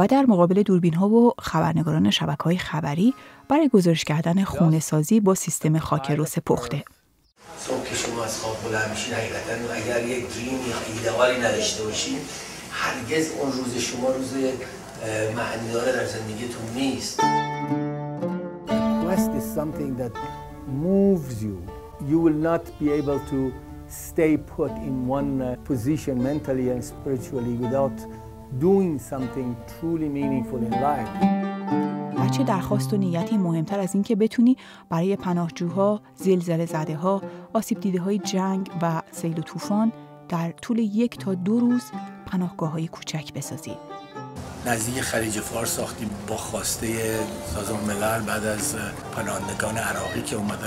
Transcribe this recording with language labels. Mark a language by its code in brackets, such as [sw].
[fa] و در مقابل دوربین ها و خبرنگاران شبکه های خبری برای گزارش کردن خونه سازی با سیستم خاک رس پخته. صبح که شما از خواب بلند میشین حقیقتاً اگر یک دریم یا ایدئالی نداشته باشین هرگز اون روز شما روز معنی‌دار در زندگیتون نیست. [en] Quest is something that moves you. You will not be able to stay put in one position mentally and spiritually without doing something truly meaningful in life. [fa] چه درخواست و نیتی مهمتر از این که بتونی برای پناهجوها، زلزله زده ها، آسیب دیده های جنگ و سیل و طوفان در طول یک تا دو روز پناهگاه های کوچک بسازی. نزدیک خلیج فارس ساختیم با خواسته سازمان ملل بعد از پناهندگان عراقی که اومده.